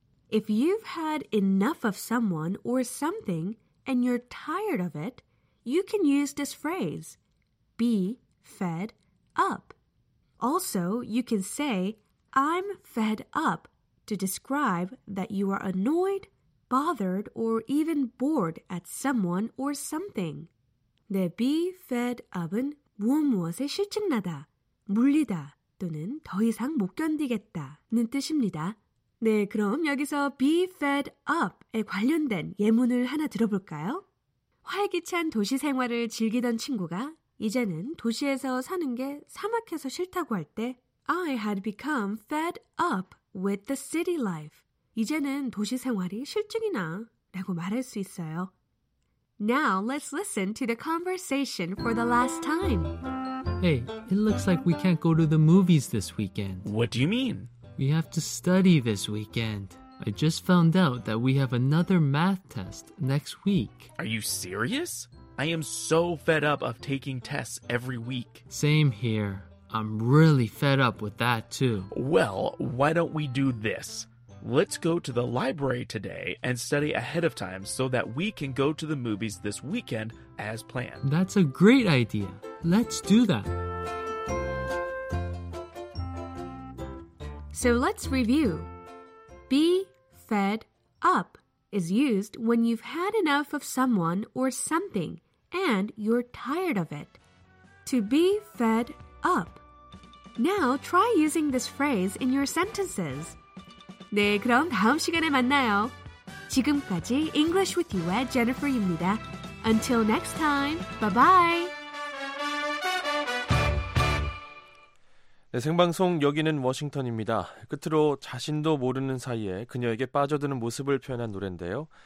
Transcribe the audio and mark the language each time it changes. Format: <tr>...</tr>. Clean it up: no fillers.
<en>If you've had enough of someone or something and you're tired of it, you can use this phrase, be fed up. Also, you can say, I'm fed up to describe that you are annoyed, bothered, or even bored at someone or something.</en> <ko>네, be fed up은 무엇 무엇에 실증나다, 물리다, 또는 더 이상 못 견디겠다는 뜻입니다. 네, 그럼 여기서 be fed up에 관련된 예문을 하나 들어볼까요? 활기찬 도시 생활을 즐기던 친구가 이제는 도시에서 사는 게 삭막해서 싫다고 할 때</ko> <en>I had become fed up with the city life.</en> <ko>이제는 도시 생활이 실증이 나 라고 말할 수 있어요.</ko> <en>Now let's listen to the conversation for the last time. Hey, it looks like we can't go to the movies this weekend. What do you mean? We have to study this weekend. I just found out that we have another math test next week. Are you serious? I am so fed up of taking tests every week. Same here. I'm really fed up with that too. Well, why don't we do this? Let's go to the library today and study ahead of time so that we can go to the movies this weekend as planned. That's a great idea. Let's do that. So let's review. Be fed up is used when you've had enough of someone or something and you're tired of it. To be fed up. Now try using this phrase in your sentences.</en> <ko>네, 그럼 다음 시간에 만나요. 지금까지</ko> <en>English with you의 Jennifer입니다. Until next time, bye-bye!</en> <ko>네, 생방송 여기는 워싱턴입니다. 끝으로 자신도 모르는 사이에 그녀에게 빠져드는 모습을 표현한 노래인데요.</ko>